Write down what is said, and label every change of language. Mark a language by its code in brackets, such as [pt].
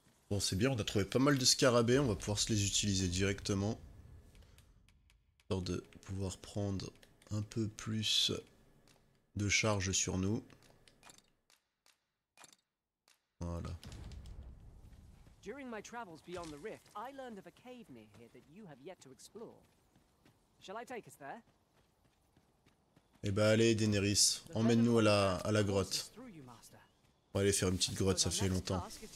[fr] Bon, c'est bien, on a trouvé pas mal de scarabées, on va pouvoir se les utiliser directement. Histoire de pouvoir prendre un peu plus de charge sur nous. Voilà. [en] During my travels beyond the rift, I learned of a cave near here that you have yet to explore. Shall I take us there? [fr] Eh ben allez, Daenerys, emmène-nous à la grotte. On va aller faire une petite grotte, ça fait longtemps.